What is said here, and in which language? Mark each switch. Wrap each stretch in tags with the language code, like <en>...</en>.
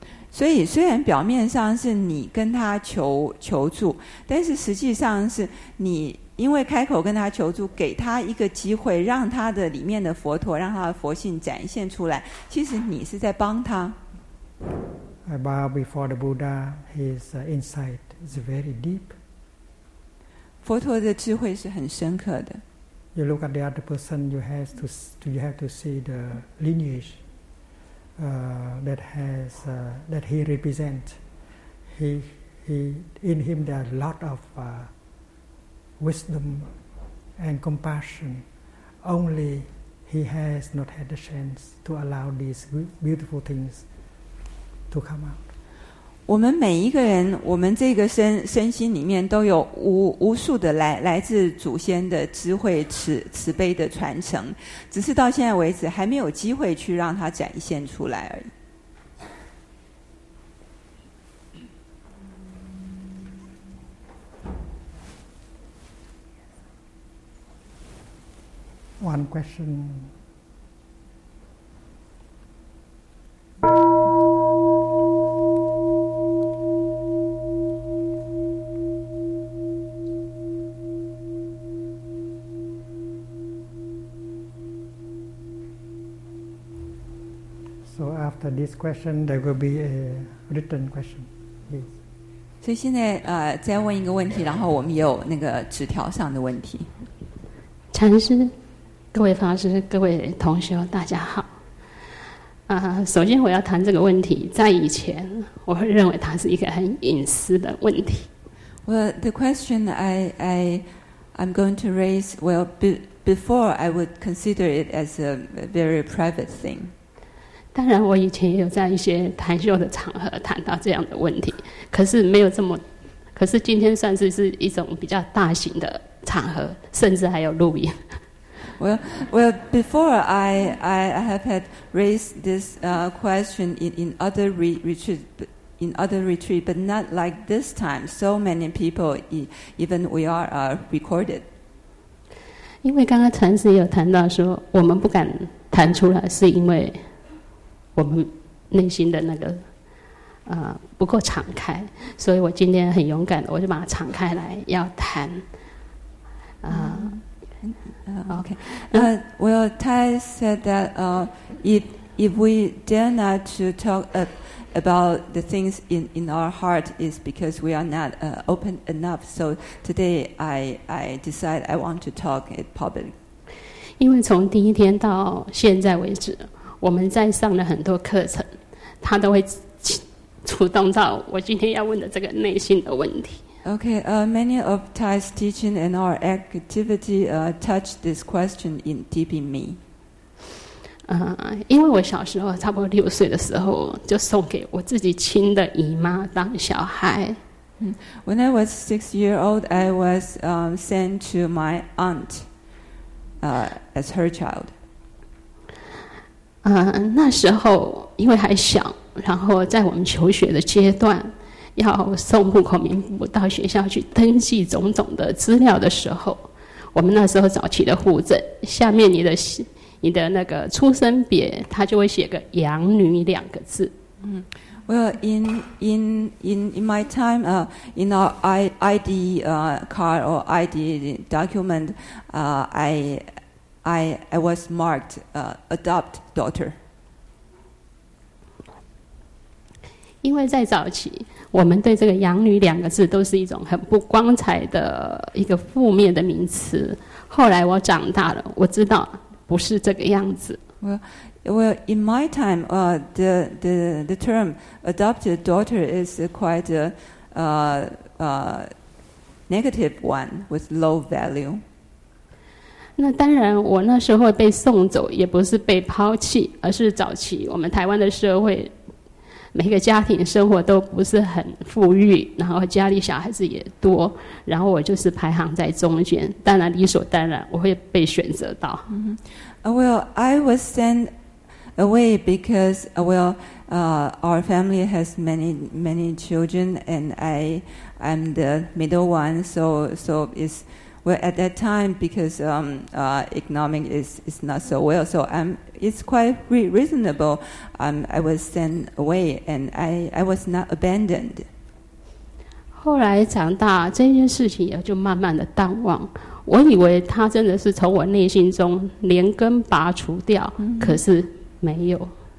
<zh>所以虽然表面上是你跟他求助，但是实际上是你因为开口跟他求助，给他一个机会，让他的里面的佛陀，让他的佛性展现出来。其实你是在帮他。</zh> <en>I bow before the Buddha. His insight is very deep.</en> <zh>佛陀的智慧是很深刻的。</zh> <en>You look at the other person, you have to see the lineage that he represents. In him there are a lot of wisdom and compassion. Only he has not had the chance to allow these beautiful things to come out.</en> <zh>我们每一个人，我们这个身心里面都有无数的来自祖先的智慧慈悲的传承，只是到现在为止还没有机会去让它展现出来而已。</zh> <en>One question. After this question, there will be a written question. Please.</en> <zh>所以现在再问一个问题，然后我们也有那个纸条上的问题。禅师，各位法师、各位同学，大家好。首先我要谈这个问题，在以前我会认为它是一个很隐私的问题。</zh> <en>Well, the question I'm going to raise, well, before I would consider it as a very private thing.</en> <zh>当然我以前也有在一些谈秀的场合谈到这样的问题，可是没有这么，可是今天算是一种比较大型的场合，甚至还有录音。</zh> <en>Well, before I have had raised this question in other retreat, but not like this time. So many people, even we are recorded.</en> <zh>因为刚刚禅师有谈到说，我们不敢谈出来，是因为我们内心的那个不够敞开。所以我今天很勇敢的，我就把它敞开来要谈</zh> <en>Okay. Well, Tai said that if we dare not to talk about the things in our heart, is because we are not open enough. So today, I decide I want to talk it publicly.</en> <zh>因为从第一天到现在为止，我们在上了很多课程，他都会触动到我今天要问的这个内心的问题。</zh> <en>Okay, many of Tai's teaching and our activity touched this question in deep in me.</en> <zh>因为我小时候差不多六岁的时候，就送给我自己亲的姨妈当小孩。</zh> <en>When I was 6 years old, I was sent to my aunt as her child.</en> <zh>那时候因为还小，然后在我们求学的阶段。要送户口名簿到学校去登记种种的资料的时候，我们那时候早期的户政下面你的那个出生别，他就会写个养女两个字。</zh> <en>Well, in my time, in our ID card or ID document, I was marked adopt daughter.</en> <zh>因为在早期，我们对这个“养女”两个字都是一种很不光彩的一个负面的名词。后来我长大了，我知道不是这个样子。</zh> <en>Well, in my time, the term adopted daughter is quite a negative one with low value.</en> <zh>那当然，我那时候被送走，也不是被抛弃，而是早期我们台湾的社会。每个家庭生活都不是很富裕，然后家里小孩子也多，然后我就是排行在中间，当然理所当然我会被选择到。</zh> <en>Well, I was sent away because, well, our family has many, many children, and I'm the middle one, so it's, well, at that time, because economic is not so well, so I'm... It's quite reasonable. I was sent away, and I was not abandoned.</en> <zh>后来长大，这件事情也就慢慢的淡忘。我以为他真的是从我内心中连根拔除掉，可是没有。</zh>